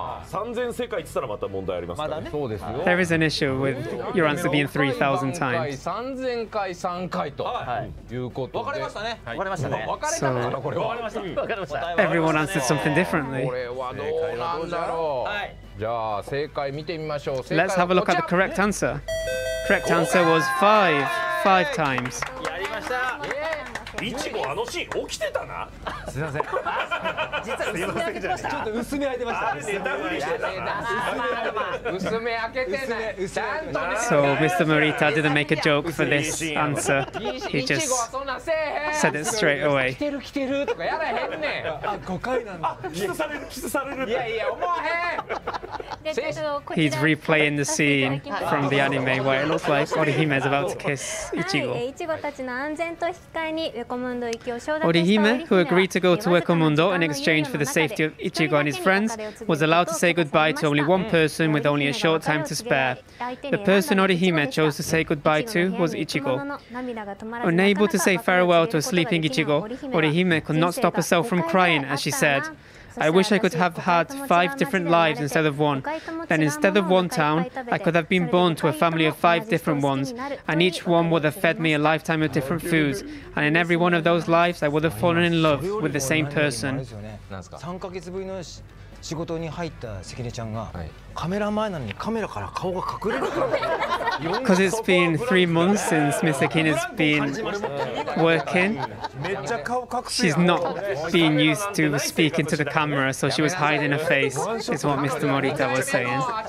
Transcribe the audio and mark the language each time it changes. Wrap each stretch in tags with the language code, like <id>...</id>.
<ja>三千世界言ってたらまた問題ありますから。そうですよ。</ja> <en>There is an issue with your answer being 3,000 times.</en> <ja>三千回三回ということで。わかりましたね。わかりましたね。わかれたからこれ。わかりました。わかりました。</ja> <en>Everyone answered something differently.</en> <ja>これはどうなんだろう。はい。じゃあ正解見てみましょう。</ja> <en>Let's have a look at the correct answer. Correct answer was five times.</en> <ja>やりました。いちごあのシーン起きてたな。すいません。実は薄め開けてました。ちょっと薄め開いてました。ネタ振りしてた。薄め開けてない。ちゃんとね。</ja> <en>So Mr. Morita didn't make a joke for this answer. He just said it straight away.</en> <ja>来てる来てるとかやらへんねん。あ、誤解なんだ。キスされるキスされる。いやいや思わへん。</ja> <en>He's replaying the scene from the anime where it looks like Orihime is about to kiss Ichigo.</en> <ja>Ichigo たちの安全と引き換えにウェコムンド行きを承諾した</ja> <en>Orihime, who agreed to go to Wekomundo in exchange for the safety of Ichigo and his friends, was allowed to say goodbye to only one person with only a short time to spare. The person Orihime chose to say goodbye to was Ichigo. Unable to say farewell to a sleeping Ichigo, Orihime could not stop herself from crying as she said,I wish I could have had five different lives instead of one. Then instead of one town, I could have been born to a family of five different ones, and each one would have fed me a lifetime of different foods. And in every one of those lives, I would have fallen in love with the same person.</en> <ja>3ヶ月ぶりの仕事に入った関根ちゃんが、カメラ前なのにカメラから顔が隠れるから。</ja> <en>Because it's been 3 months since Miss Sekine has been working, she's not been used to speaking to the camera, so she was hiding her face, is what Mr. Morita was saying.</en>